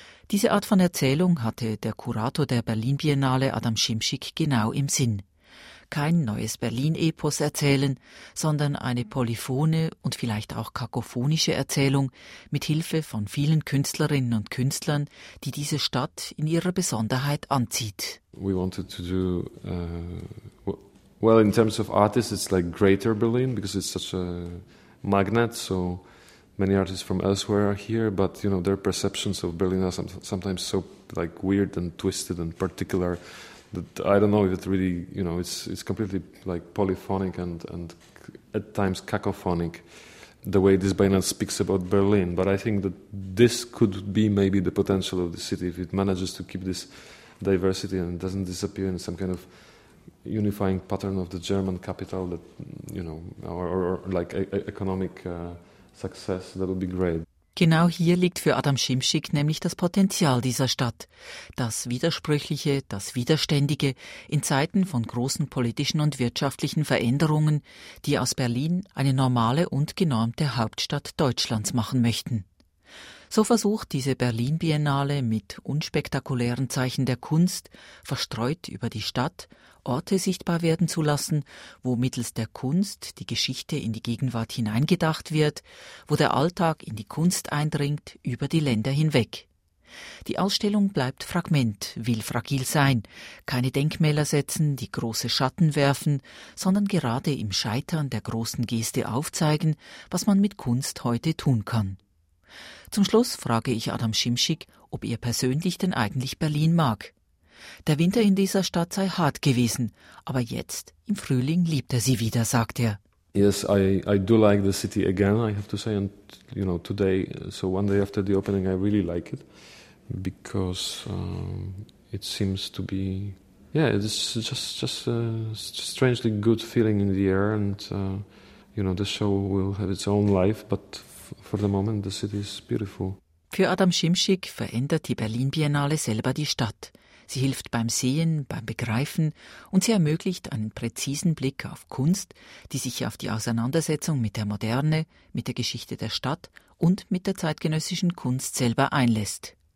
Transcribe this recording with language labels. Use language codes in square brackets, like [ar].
[de] Diese Art von Erzählung hatte der Kurator der Berlin-Biennale Adam Simsik genau im Sinn. Kein neues Berlin-Epos erzählen, sondern eine polyphone und vielleicht auch kakophonische Erzählung mit Hilfe von vielen Künstlerinnen und Künstlern, die diese Stadt in ihrer Besonderheit anzieht. [en] We wanted to do well in terms of artists, it's like Greater Berlin because it's such a magnet. So many artists from elsewhere are here, but you know their perceptions of Berlin are sometimes so like weird and twisted and particular. That I don't know if it really, you know, it's completely like polyphonic and at times cacophonic, the way this Biennale speaks about Berlin. But I think that this could be maybe the potential of the city if it manages to keep this diversity and doesn't disappear in some kind of unifying pattern of the German capital that, you know, or like economic success. That would be great. [de] Genau hier liegt für Adam Simsik nämlich das Potenzial dieser Stadt. Das Widersprüchliche, das Widerständige in Zeiten von großen politischen und wirtschaftlichen Veränderungen, die aus Berlin eine normale und genormte Hauptstadt Deutschlands machen möchten. So versucht diese Berlin-Biennale mit unspektakulären Zeichen der Kunst, verstreut über die Stadt, Orte sichtbar werden zu lassen, wo mittels der Kunst die Geschichte in die Gegenwart hineingedacht wird, wo der Alltag in die Kunst eindringt, über die Länder hinweg. Die Ausstellung bleibt Fragment, will fragil sein, keine Denkmäler setzen, die große Schatten werfen, sondern gerade im Scheitern der großen Geste aufzeigen, was man mit Kunst heute tun kann. Zum Schluss frage ich Adam Simsik, ob er persönlich denn eigentlich Berlin mag. Der Winter in dieser Stadt sei hart gewesen, aber jetzt, im Frühling, liebt er sie wieder, sagt er. [en] Yes, I do like the city again, I have to say, and you know, today, so one day after the opening, I really like it, because it seems to be, yeah, it's just a strangely good feeling in the air, and you know, the show will have its own life, but for the moment, the city is beautiful. [de] Für Adam Simsik verändert die Berlin-Biennale selber die Stadt. Sie hilft beim Sehen, beim Begreifen und sie ermöglicht einen präzisen Blick auf Kunst, die sich auf die Auseinandersetzung mit der Moderne, mit der Geschichte der Stadt und mit der zeitgenössischen Kunst selber einlässt.